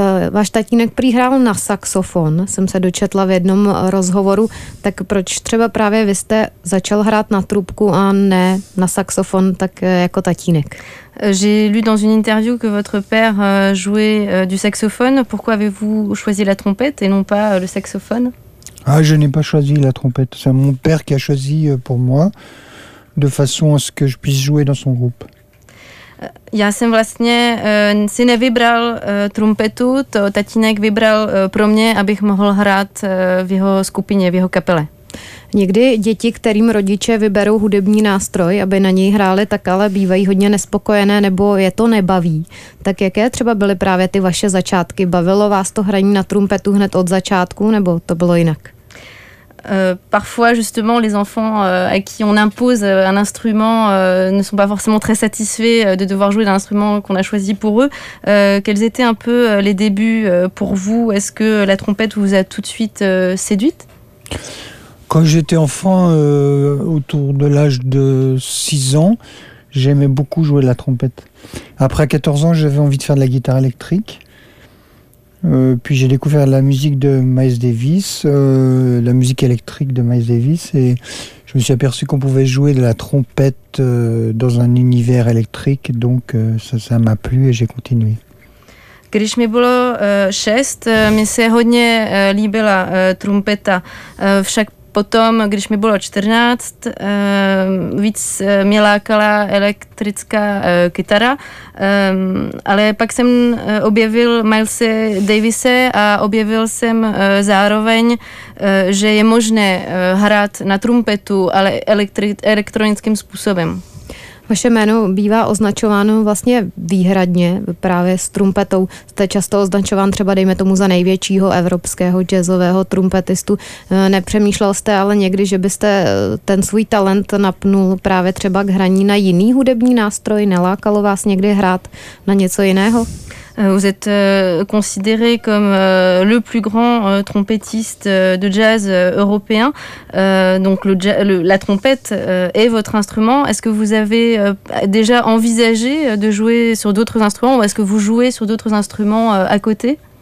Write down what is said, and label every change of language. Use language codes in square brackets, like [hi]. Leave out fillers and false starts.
[cs] Váš tatínek prý hrál na saxofon, jsem se dočetla v jednom rozhovoru, tak proč třeba právě vy jste začal hrát na trubku a ne na saxofon, tak jako tatínek? [fr] J'ai lu dans une interview que votre père jouait du saxophone. Pourquoi avez-vous choisi la trompette et non pas le saxophone? Ah, je n'ai pas choisi la trompette. C'est mon père qui a choisi pour moi, de façon à ce que je puisse jouer dans son groupe. [cs] Já jsem vlastně si nevybral trumpetu, to tatínek vybral pro mě, abych mohl hrát v jeho skupině, v jeho kapele. Někdy děti, kterým rodiče vyberou hudební nástroj, aby na něj hráli, tak ale bývají hodně nespokojené nebo je to nebaví. Tak jaké třeba byly právě ty vaše začátky? Bavilo vás to hraní na trumpetu hned od začátku nebo to bylo jinak? [fr] Parfois, justement, les enfants à qui on impose un instrument ne sont pas forcément très satisfaits de devoir jouer d'un instrument qu'on a choisi pour eux. Quels étaient un peu les débuts pour vous? Est-ce que la trompette vous a tout de suite séduite? Quand j'étais enfant, autour de l'âge de 6 ans, j'aimais beaucoup jouer de la trompette. Après 14 ans, j'avais envie de faire de la guitare électrique. Puis j'ai découvert la musique de Miles Davis, la musique électrique de Miles Davis, et je me suis aperçu qu'on pouvait jouer de la trompette dans un univers électrique, donc ça m'a plu et j'ai continué. [cs] Když mi bylo 6, mi se hodně líbila trumpeta. Však potom, když mi bylo 14, víc mě lákala elektrická kytara, ale pak jsem objevil Milese Davise a objevil jsem zároveň, že je možné hrát na trumpetu, ale elektronickým způsobem. Vaše jméno bývá označováno vlastně výhradně právě s trumpetou. Jste často označován třeba dejme tomu za největšího evropského jazzového trumpetistu. Nepřemýšlel jste ale někdy, že byste ten svůj talent napnul právě třeba k hraní na jiný hudební nástroj? Nelákalo vás někdy hrát na něco jiného? [fr] Vous êtes considéré comme le plus grand trompettiste de jazz européen. Donc la trompette est votre instrument. Est-ce que vous avez déjà envisagé de jouer sur d'autres instruments ou est-ce que vous jouez sur d'autres instruments à côté?